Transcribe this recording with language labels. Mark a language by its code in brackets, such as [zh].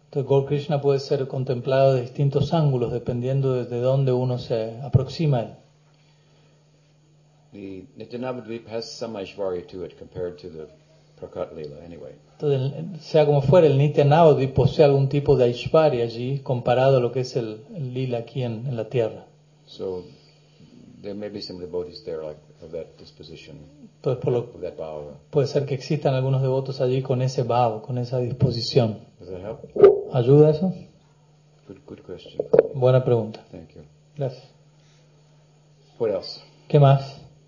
[es] Entonces, Gaur Krishna puede ser contemplado de distintos ángulos dependiendo desde dónde uno se aproxima. [en] The Nityanavadvip has some Aishwarya to it compared to the Prakat Lila, anyway. [es] Entonces, sea como fuere, el Nityanavadvip posee algún tipo de Aishwarya allí comparado a lo que es el Lila aquí en la tierra. [en] So, there may be some devotees there like of that disposition. [es] Entonces, por lo, [en] that bhava. [es] Puede ser que existan algunos devotos allí con ese bhava, con esa disposición. [en] Does that help? [es] ¿Ayuda eso? [en] Good question. [es] Buena pregunta. [en] Thank you. [es] Gracias. [en] What else? [es] ¿Qué más?